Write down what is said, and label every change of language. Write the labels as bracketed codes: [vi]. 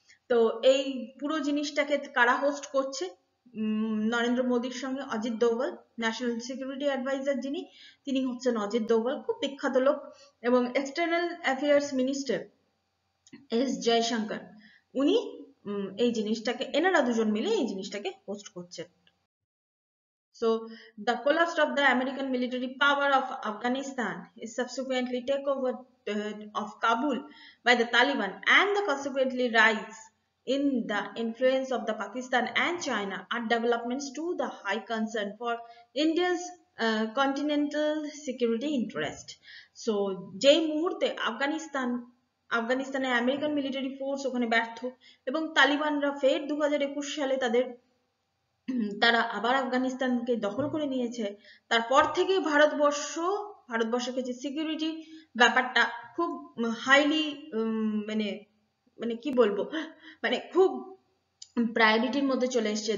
[bn] তো এই পুরো জিনিসটাকে কারা হোস্ট করছে, নরেন্দ্র মোদীর সঙ্গে Ajit Doval, national security adviser যিনি তিনি হচ্ছেন অজিত দোভাল, খুব বিখ্যাত লোক, এবং external affairs minister S Jaishankar উনি এই জিনিসটাকে, এনারা দুজন মিলে এই জিনিসটাকে হোস্ট করছেন। [en] So, the collapse of the American military power of Afghanistan is subsequently takeover of Kabul by the Taliban and the consequently rise in the influence of the Pakistan and China are developments to the high concern for India's continental security interest. [bn] So, je muhurte Afghanistan e American military force okhane byartho ebong Taliban ra fer 2021 sale tader তারা আবার আফগানিস্তানকে দখল করে নিয়েছে, তারপর থেকে ভারতবর্ষকে যে সিকিউরিটি ব্যাপারটা খুব হাইলি মানে মানে কি বলবো মানে খুব প্রায়োরিটির মধ্যে চলে এসেছে।